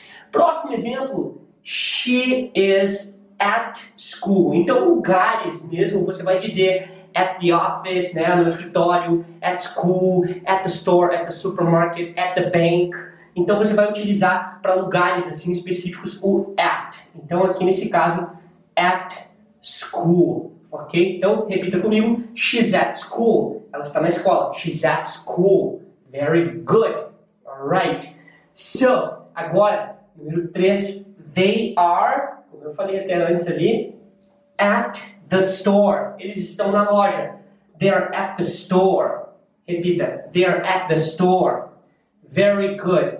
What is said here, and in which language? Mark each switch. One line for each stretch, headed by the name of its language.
Portuguese: Próximo exemplo.
English: She is at school.
Portuguese: Então lugares mesmo, você vai dizer
English: at the office,
Portuguese: né, no escritório,
English: at school, at the store, at the supermarket, at the bank.
Portuguese: Então você vai utilizar para lugares assim específicos o at. Então aqui nesse caso,
English: at school,
Portuguese: ok? Então repita comigo,
English: she's at school.
Portuguese: Ela está na escola,
English: she's at school. Very good. Alright.
Portuguese: So, agora, número 3,
English: they are,
Portuguese: como eu falei até antes ali,
English: at the store.
Portuguese: Eles estão na loja.
English: They are at the store.
Portuguese: Repita.
English: They are at the store. Very good.